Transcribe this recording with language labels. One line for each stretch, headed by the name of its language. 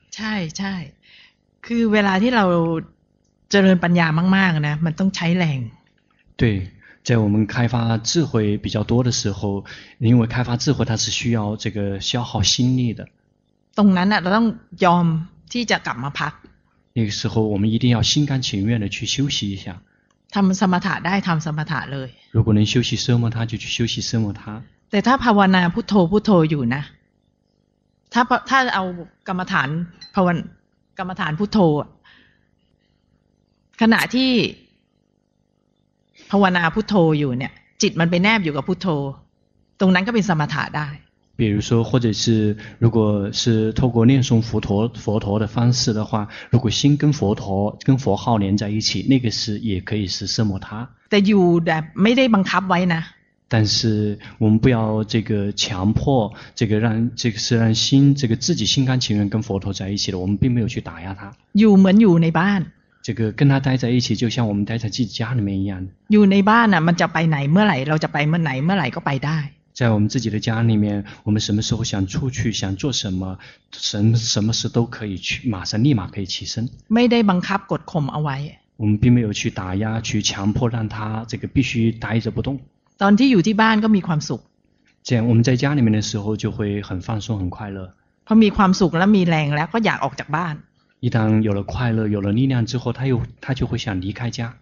Thai: ใช่ใช่คือเวลาที่เราเจริญปัญญามากๆนะมันต้องใช้แรง
Chinese: 对在我们开发智慧比较多的时候因为开发智慧它是需要这个消耗心力的
Thai: ตรงนั้นเราต้องยอมที่จะกลับมาพัก
Chinese: 那个时候我们一定要心甘情愿的去休息一下
Thai: ทำสมถะได้ทำสมถะเลย
Chinese: 如果能休息奢摩他就去休息奢摩他
Thai: แต่ถ้าภาวนาพุทโธพุทโธอยู่นะถ้าเอากรรมฐานภาวนากรรมฐานพุทโธขณะที่ภาวนาพุทโธอยู่เนี่ยจิตมันไปแนบอยู่กับพุทโธตรงนั้นก็เป็นสมถะได้
Chinese: 比如说或者是如果是透过念诵佛陀的方式的话如果心跟佛陀跟佛号连在一起那个是也可以是奢摩他
Thai: แต่อยู่แบบไม่ได้บังคับไว้นะ
Chinese: 但是我们不要这个强迫这个让这个是让心这个自己心甘情愿跟佛陀在一起的我们并没有去打压他
Thai: อยู่เหมือนอยู่ในบ้าน
Chinese: 这个跟他待在一起就像我们待在自己家里面一样
Thai: อยู่ในบ้านน่ะมันจะไปไหนเมื่อไหร่เราจะไปเมื่อไหนเมื่อไหร่ก็ไปได้
Chinese: 在我们自己的家里面我们什么时候想出去想做什么什么事都可以去马上立马可以起身
Thai: ไม่ได้บังคับกดข่มเอาไว้
Chinese: 我们并没有去打压去强迫让他这个必须待着不动
Thai: ตอนที่อยู่ที่บ้านก็มีความสุข จริง
Chinese: 我们在家里面的时候就会很放松很快乐
Thai: พอมีความสุขแล้วมีแรงแล้วก็อยากออกจากบ้าน
Chinese: 一旦有了快乐有了力量之后他就会想离开家